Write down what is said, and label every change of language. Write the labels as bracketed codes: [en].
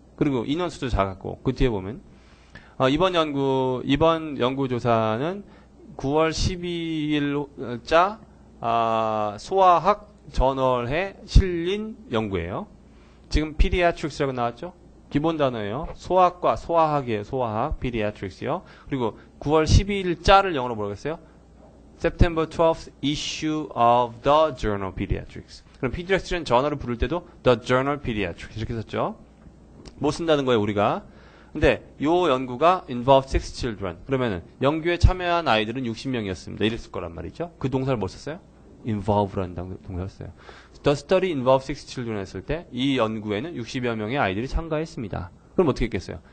[ko] 그리고 인원수도 작았고 그 뒤에 보면 이번 연구조사는 9월 12일자 소아학 저널에 실린 연구예요. 지금 pediatrics라고 나왔죠? 기본 단어예요. 소아학과 소아학이에요. 소아학 pediatrics요. 그리고 9월 12일자를 영어로 뭐라고 했어요? [en] September 12th issue of the Journal of Pediatrics. [ko] 그럼 Pediatrics는 저널을 부를 때도 The Journal of Pediatrics 이렇게 썼죠. 못 쓴다는 거예요 우리가. 근데 요 연구가 [en] involved 6 children. [ko] 그러면은 연구에 참여한 아이들은 60명이었습니다. 이랬을 거란 말이죠. 그 동사를 못 썼어요? involve라는 동사를 써요. [en] The study involved 6 children [ko] 했을 때 이 연구에는 60여 명의 아이들이 참가했습니다. 그럼 어떻게 했겠어요?